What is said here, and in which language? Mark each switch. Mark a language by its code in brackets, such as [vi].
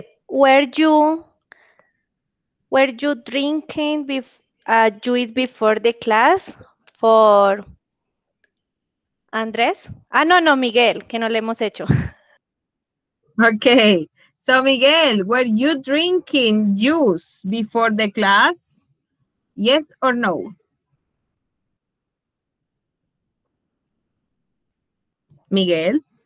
[en] Were you drinking juice before the class for Andrés? [es] Ah, no, no, Miguel, que no le hemos hecho. [en] Okay. So, Miguel, were you drinking juice before the class? Yes or no? Miguel?